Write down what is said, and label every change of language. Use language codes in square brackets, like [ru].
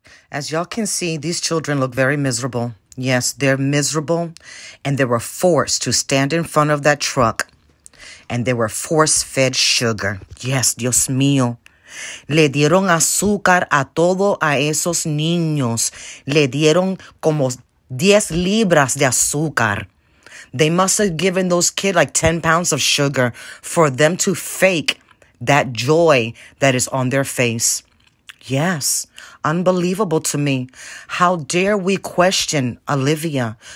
[en] As y'all can see, these children look very miserable. Yes, they're miserable, and they were forced to stand in front of that truck, and they were force-fed sugar. Yes, [es] Dios mío. Le dieron azúcar a todo a esos niños. Le dieron como 10 libras de azúcar. [en] They must have given those kids like 10 pounds of sugar for them to fake that joy that is on their face. Yes, unbelievable to me. How dare we question Olivia?